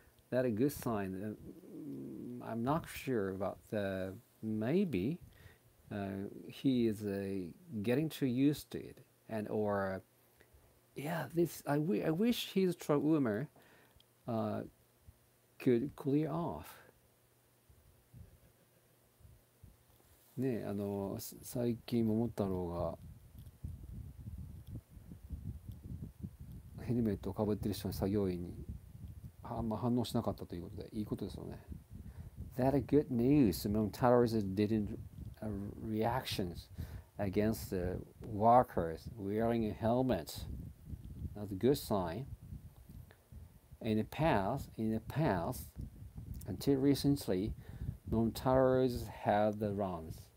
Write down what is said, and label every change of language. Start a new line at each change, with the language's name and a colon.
English: That a good sign? I'm not sure, but maybe he is getting too used to it, and or. Yeah, this I wish his trauma could clear off.
Japanese: ねえ、最近桃太郎がヘルメットをかぶってる人の作業員にあんま反応しなかったということで、いいことですよね。
English: That a good news. Momotaro didn't reactions against the workers wearing a helmet. That's a good sign. In the past, until recently, Momotaro's had the runs.